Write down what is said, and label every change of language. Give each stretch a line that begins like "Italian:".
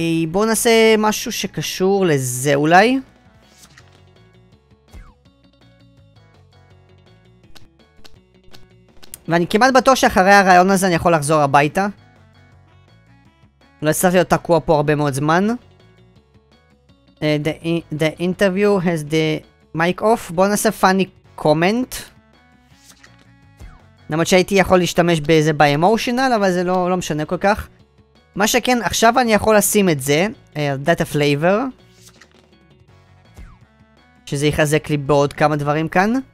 Hebrew: בוא נעשה משהו שקשור לזה אולי. ואני כמעט בטוח שאחרי הרעיון הזה אני יכול לחזור הביתה. לא הצלחתי להיות תקוע פה הרבה מאוד זמן.
English: The interview has the mic off.
Hebrew: בוא נעשה
English: funny comment.
Hebrew: למרות שהייתי יכול להשתמש בזה באמושיונל, אבל זה לא משנה כל כך. מה שכן, עכשיו אני יכול לשים את זה,
English: data flavor,
Hebrew: שזה יחזק לי בעוד כמה דברים כאן.